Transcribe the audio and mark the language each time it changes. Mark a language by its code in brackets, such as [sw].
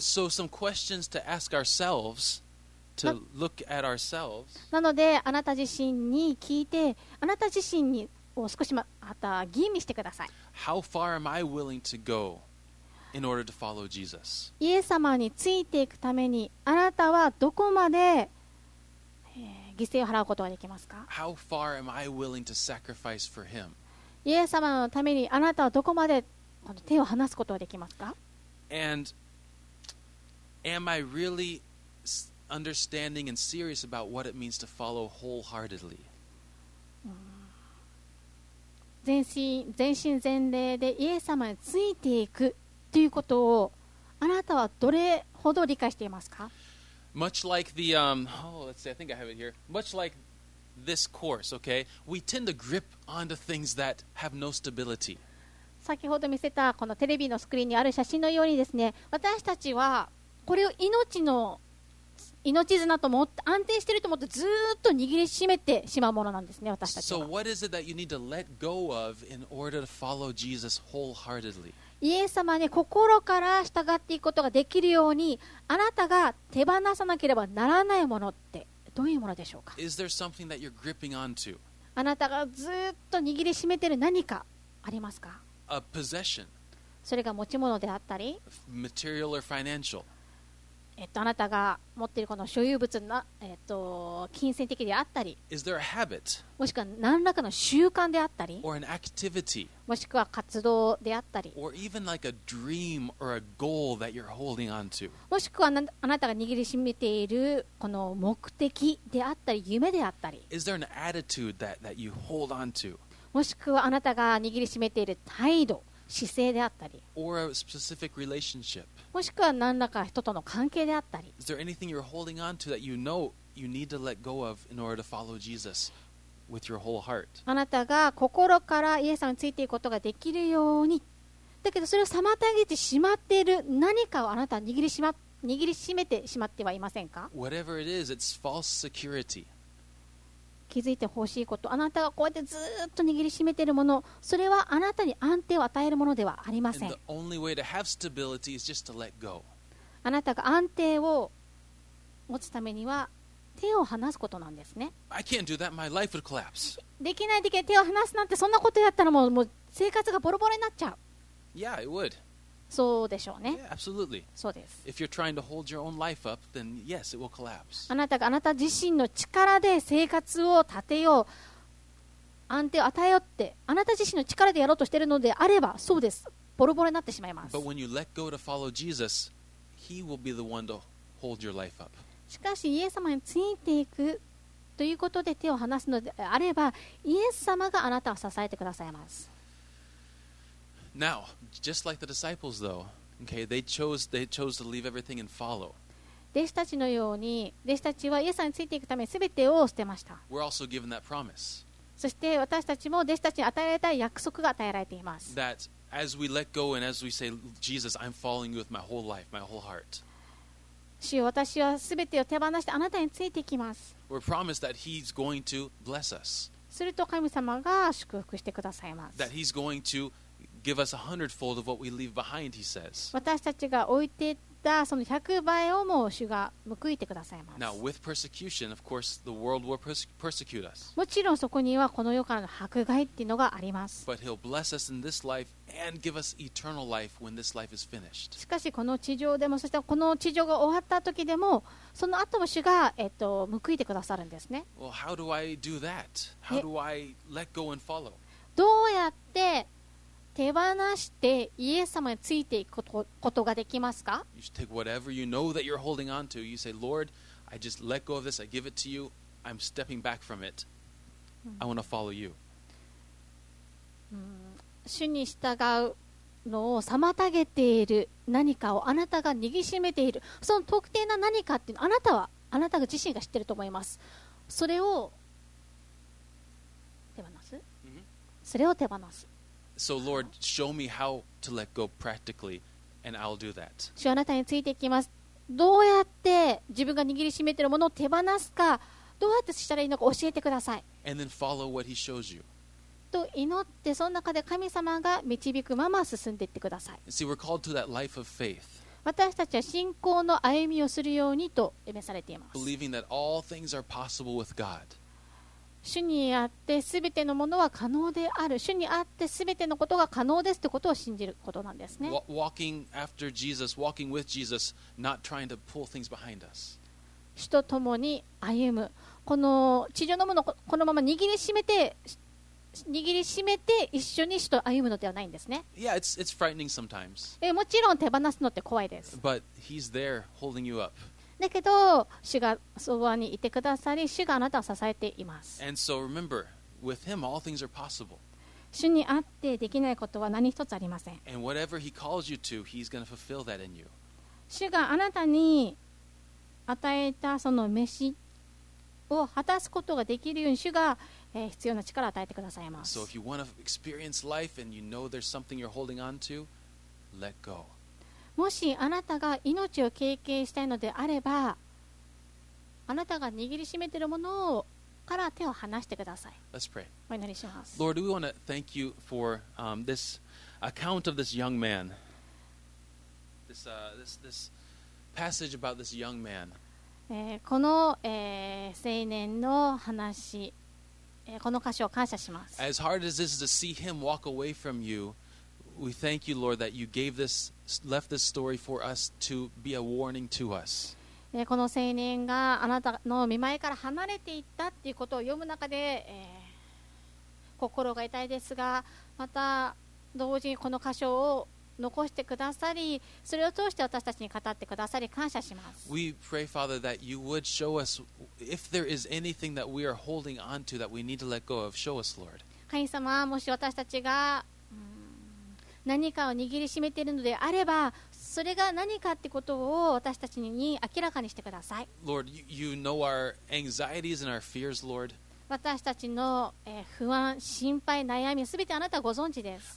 [en] So some questions to ask ourselves, to look at ourselves. [ja] なのであなた自身に聞いてあなた自身にを少しまた吟味してください。 [en] How far am I willing to go in order to follow Jesus? [ja] イエス様についていくためにあなたはどこまで犠牲を払うことができますか。 [en] How far am I willing to sacrifice for him? [ja] イエス様のためにあなたはどこまで手を離すことができますか。 [en] And am I really understanding and serious about what it means to follow wholeheartedly. [ja] 全身全霊でイエス様についていくということをあなたはどれほど理解していますか? [en] Much like the let's see, I think I have it here. Much like this course, okay? We tend to grip onto things that have no stability. [ja] 先ほど見せたこのテレビのスクリーンにある写真のようにですね、私たちはこれを命綱と思って安定していると思ってずっと握りしめてしまうものなんですね、私たちは。 [en] So what is it that you need to let go of in order to follow Jesus wholeheartedly? [ja] イエス様に心から従っていくことができるようにあなたが手放さなければならないものってどういうものでしょうか? [en] Is there something that you're gripping onto? [ja] あなたがずっと握りしめている何かありますか? [en] A possession. [ja] それが持ち物であったり [en] Material or financial. [ja] あなたが持っているこの所有物な、金銭的であったり [en] Is there a habit? [ja] もしくは何らかの習慣であったり [en] Or an activity? [ja] もしくは活動であったり [en] or even like a dream or a goal that you're holding on to. [ja] もしくはあなたが握りしめているこの目的であったり夢であったり [en] Is there an attitude that you hold on to? [ja] もしくはあなたが握りしめている態度姿勢であったり [en] or a specific relationship. [ja] もしくは何らか人との関係であったり [en] Is there anything you're holding on to that you know you need to let go of in order to follow Jesus? With your whole heart. [ja] あなたが心からイエス様についていくことができるようにだけどそれを妨げてしまっている何かをあなたは握りしめてしまってはいませんか [en] Whatever it is, it's false security. [ja] 気づいてほしいことあなたがこうやってずっと握りしめているものそれはあなたに安定を与えるものではありません [en] And the only way to have stability is just to let go. [ja] あなたが安定を持つためには手を離すことなんですね。 [en] I can't do that. My life would collapse. [ja] できないできない手を離すなんてそんなことやったらもう生活がボロボロになっちゃう。 [en] Yeah, it would. [ja] そうでしょうね。 [en] Yeah, absolutely. [ja] そうです。 [en] If you're trying to hold your own life up, then yes, it will collapse. [ja] あなたがあなた自身の力で生活を立てよう、安定を与えようってあなた自身の力でやろうとしているのであればそうです。ボロボロになってしまいます。 [en] But when you let go to follow Jesus, He will be the one to hold your life up. [ja] しかしイエス様についていくということで手を離すのであればイエス様があなたを支えてくださいます。 [en] Now, just like the disciples though, okay, they chose to leave everything and follow. [ja] 弟子たちのように弟子たちはイエス様についていくため全てを捨てました。 [en] We're also given that promise. [ja] そして私たちも弟子たちに与えられた約束が与えられています。 [en] That as we let go and as we say, Jesus, I'm following you with my whole life, my whole heart. [ja] 主よ私はすべてを手放してあなたについていきます。 [en] We're promised that he's going to bless us. [ja] すると神様が祝福してくださいます。 [en] That he's going to give us 100-fold of what we leave behind, he says. [ja] 私たちが置いていったその100倍をも主が報いてくださいます。 [en] Now, with persecution, of course, the world will persecute us. [ja] もちろんそこにはこの世からの迫害っていうのがあります。 [en] But he'll bless us in this life. And give us eternal life when this life is finished. [ja] しかしこの地上でもそしてこの地上が終わった時でもその後も主が、報いてくださるんですね。 [en] Well, how do I do that? How do I let go and follow? [ja] どうやって手放してイエス様についていくことができますか? [en] You take whatever you know that you're holding on to. You say, Lord, I just let go of this. I give it to you. I'm stepping back from it. I want to follow you. [ja] 主に従うのを妨げている何かをあなたが握りしめているその特定な何かっていうのあなたが自身が知ってると思いますそれを手放す、mm-hmm. それを手放す [en] So Lord, show me how to let go practically and I'll do that [ja] 主あなたについていきますどうやって自分が握りしめているものを手放すかどうやってしたらいいのか教えてください [en] And then follow what he shows you [ja] と祈ってその中で神様が導くまま進んでいってください [en] See, we're called to that life of faith. [ja] 私たちは信仰の歩みをするようにと示されています [en] Believing that all things are possible with God. [ja] 主にあって全てのものは可能である主にあって全てのことが可能ですということを信じることなんですね [en] Walking after Jesus, walking with Jesus, not trying to pull things behind us. [ja] 主と共に歩むこの地上のものをこのまま握りしめて握りしめて一緒に主と歩むのではないんですね。 [en] Yeah, it's frightening sometimes. [ja] もちろん手放すのって怖いです。 [en] But he's there holding you up. [ja] だけど主がそばにいてくださり、主があなたを支えています。 [en] And so remember, with him, all things are possible. [ja] 主にあってできないことは何一つありません。 [en] And whatever he calls you to, he's going to fulfill that in you. [ja] 主があなたに与えたその召しを果たすことができるように主が必要な力を与えてくださいます。 [en] So if you want to experience life and you know there's something you're holding on to, let go. [ja] もしあなたが命を経験したいのであれば、あなたが握りしめているものから手を離してください。 [en] Let's pray. [ja] お祈りします。 [en] Lord, we want to thank you for this account of this young man. This passage about this young man. [ja] この青年の話、この箇所を感謝します。 [en] As hard as this is to see him walk away from you,We thank you, Lord, that you gave this, left this story for us to be a warning to us. [ja] この青年があなたの御前から離れていったっていうことを読む中で、心が痛いですが、また同時にこの箇所を残してくださり、それを通して私たちに語ってくださり感謝します。 [en] We pray, Father, that you would show us if there is anything that we are holding on to that we need to let go of. Show us, Lord. [ja] 神様、もし私たちが何かを握りしめているのであれば、それが何かってことを私たちに明らかにしてください。 [en] Lord, you know our anxieties and our fears, Lord. [ja] 私たちの不安、心配、悩み、すべてあなたはご存知です。